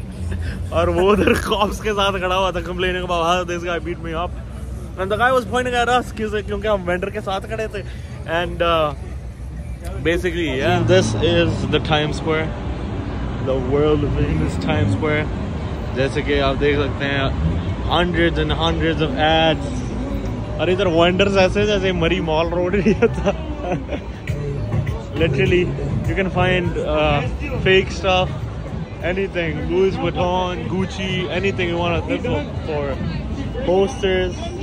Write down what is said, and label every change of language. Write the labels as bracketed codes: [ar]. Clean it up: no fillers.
[en] And [hi] वो उधर [en] cops [hi] के साथ खड़ा हुआ था [en] complaining about how this guy beat me up. And the guy was pointing at us [hi] क्योंकि हम [en] vendor [hi] के साथ खड़े थे. [en] And basically, yeah. This is the Times Square, the world famous Times Square. [hi] जैसे कि आप देख सकते हैं [en] hundreds and hundreds of ads, [hi] और इधर wonders ऐसे जैसे मरी मॉल रोड ही था। [en] Literally, you can find fake stuff, anything, Louis Vuitton, Gucci, anything you want to look for, posters.